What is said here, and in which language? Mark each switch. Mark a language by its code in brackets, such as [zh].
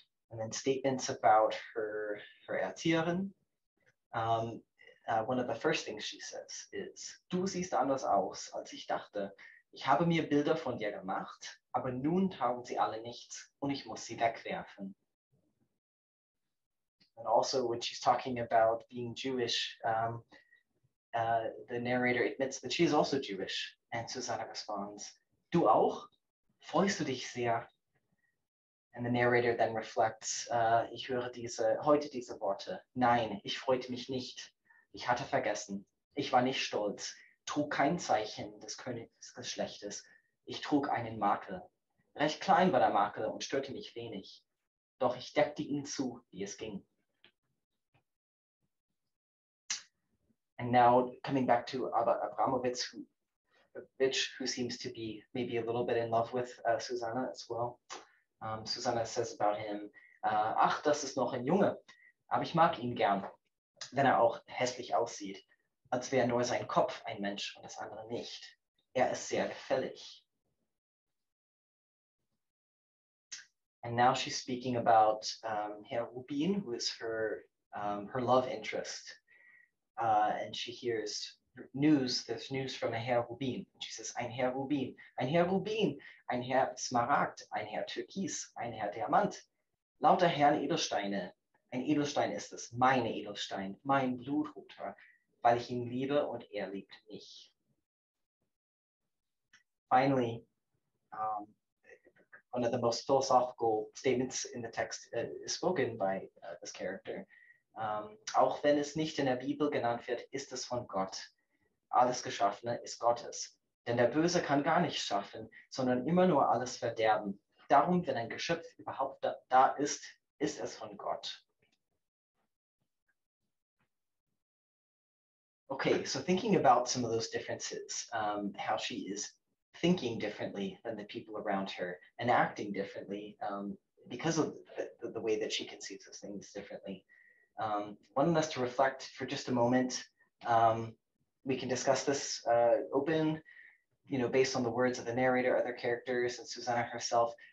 [en] And then statements about her Erzieherin. One of the first things she says is, [de] du siehst anders aus, als ich dachte. Ich habe mir Bilder von dir gemacht, aber nun taugen sie alle nichts und ich muss sie wegwerfen. [en] And also when she's talking about being Jewish, the narrator admits that she is also Jewish. And Susanna responds, [de] du auch? Freust du dich sehr? [en] And the narrator then reflects, [de] ich höre heute diese Worte. Nein, ich freute mich nicht. Ich hatte vergessen. Ich war nicht stolz. Trug kein Zeichen des Königsgeschlechtes. Ich trug einen Makel. Recht klein war der Makel und störte mich wenig. Doch ich deckte ihn zu, wie es ging. [en] And now coming back to Abramovich, who seems to be maybe a little bit in love with Susanna as well. Susanna says about him, [de] ach, das ist noch ein Junge, aber ich mag ihn gern, wenn auch hässlich aussieht. Als wäre nur sein Kopf ein Mensch und das andere nicht. Ist sehr gefällig. [en] And now she's speaking about Herr Rubin, who is her love interest. And she hears news, there's news from a Herr Rubin. And she says, [de] ein Herr Smaragd, ein Herr Türkis, ein Herr Diamant. Lauter Herrn Edelsteine. Ein Edelstein ist es, mein Edelstein, mein Blutroter. Weil ich ihn liebe und liebt mich. [en] Finally, one of the most philosophical statements in the text is spoken by this character. [de] Auch wenn es nicht in der Bibel genannt wird, ist es von Gott. Alles Geschaffene ist Gottes. Denn der Böse kann gar nicht schaffen, sondern immer nur alles verderben. Darum, wenn ein Geschöpf überhaupt da ist, ist es von Gott. [en] Okay, so thinking about some of those differences, how she is thinking differently than the people around her and acting differently because of the way that she conceives of things differently. One of us to reflect for just a moment. We can discuss this open, you know, based on the words of the narrator, other characters, and Susanna herself.